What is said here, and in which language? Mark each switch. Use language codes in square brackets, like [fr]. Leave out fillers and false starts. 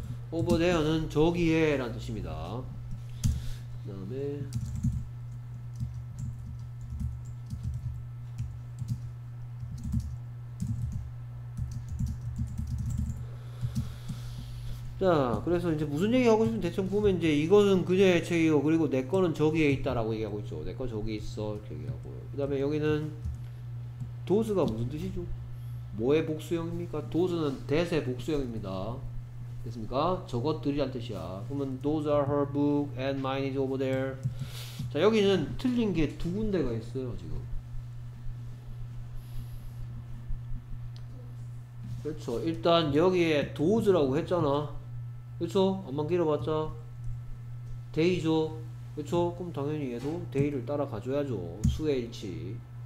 [ko] 오버 데어는 저기에란 뜻입니다. 그 다음에 자, 그래서 이제 무슨 얘기 하고 싶은, 대충 보면 이제 이거는 그녀의 책이고 그리고 내 거는 저기에 있다라고 얘기하고 있죠. 내 거 저기 있어 이렇게 얘기하고. 그 다음에 여기는 도스가 무슨 뜻이죠? 뭐의 복수형입니까? 도스는 that의 복수형입니다. 됐습니까? 저것들이란 뜻이야. [en] 그러면 those are her book and mine is over there. [ko] 자, 여기는 틀린 게 두 군데가 있어요 지금. 그렇죠. 일단 여기에 도즈라고 했잖아. 그렇죠? 암만 길어봤자 데이죠. 그렇죠? 그럼 당연히 얘도 데이를 따라가줘야죠. 수의 일치.